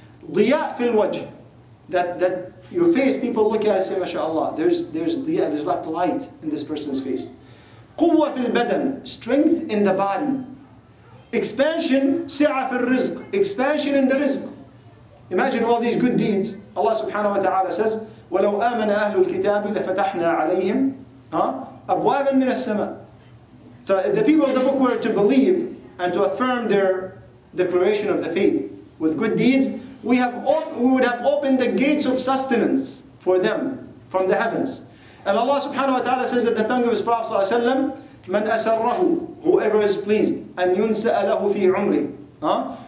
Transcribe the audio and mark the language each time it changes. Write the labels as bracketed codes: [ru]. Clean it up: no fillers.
[ar] Diya fil wajh. [en] That your face, people look at it and say, mashallah, there's like light in this person's face. [ar] Quwwa fil badan. [en] Strength in the body. Expansion, [ar] si'a fil rizq. [en] Expansion in the rizq. Imagine all these good deeds. Allah subhanahu wa ta'ala says, [ar] وَلَوْ آمَنَ أَهْلُ الْكِتَابِ لَفَتَحْنَا عَلَيْهِمْ. Huh? أَبْوَابًا مِنَ السَّمَاءِ. [en] So if the people of the book were to believe and to affirm their declaration of the faith with good deeds, we would have opened the gates of sustenance for them from the heavens. And Allah subhanahu wa ta'ala says that the tongue of his Prophet sallallahu alayhi wa sallam, [ar] مَنْ أَسَرَّهُ, [en] whoever is pleased, [ar] أَنْ يُنْسَأَ لَهُ فِي عُمْرِ. [en] Huh?